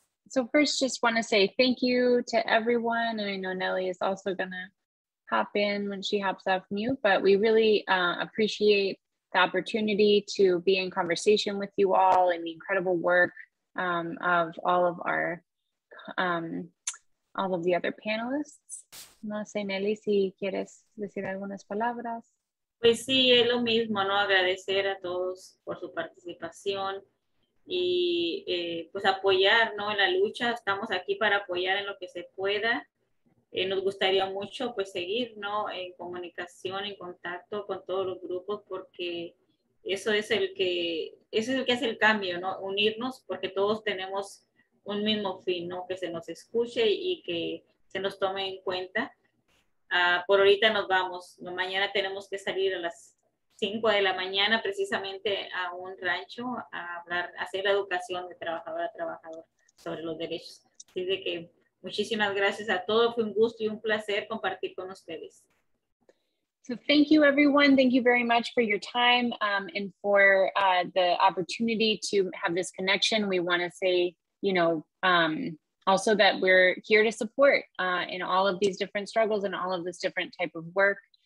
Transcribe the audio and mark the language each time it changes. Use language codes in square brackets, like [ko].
[en] So first, just want to say thank you to everyone. And I know Nelly is also going to hop in when she hops off mute, but we really appreciate the opportunity to be in conversation with you all and the incredible work of all of our, all of the other panelists. [es] No sé, Nelly, si quieres decir algunas palabras. Pues sí, es lo mismo, ¿no? Agradecer a todos por su participación y pues apoyar, ¿no? En la lucha. Estamos aquí para apoyar en lo que se pueda. Nos gustaría mucho pues seguir, ¿no? En comunicación, en contacto con todos los grupos, porque eso es el que hace el cambio, ¿no? Unirnos, porque todos tenemos un mismo fin, ¿no? Que se nos escuche y que se nos tome en cuenta. Por ahorita nos vamos, mañana tenemos que salir a las 5 de la mañana precisamente a un rancho a hablar, a hacer la educación de trabajador a trabajador sobre los derechos. Así de que muchísimas gracias a todos, fue un gusto y un placer compartir con ustedes. [en] So thank you everyone, thank you very much for your time and for the opportunity to have this connection. We want to say, you know, also that we're here to support in all of these different struggles and all of this different type of work.